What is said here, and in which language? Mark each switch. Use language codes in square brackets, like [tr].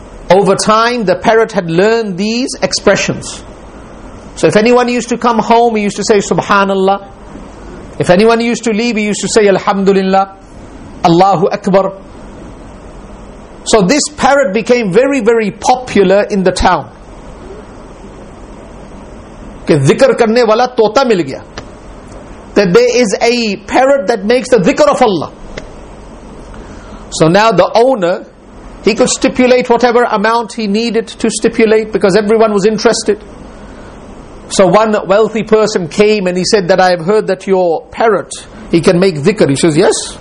[en] Over time, the parrot had learned these expressions. So if anyone used to come home, he used to say, Subhanallah. If anyone used to leave, he used to say, Alhamdulillah, Allahu Akbar. So this parrot became very, very popular in the town. [ur] کہ ذکر کرنے والا طوطا مل گیا. [en] That there is a parrot that makes the dhikr of Allah. So now the owner, he could stipulate whatever amount he needed to stipulate because everyone was interested. So one wealthy person came and he said that I have heard that your parrot, he can make dhikr. He says, yes.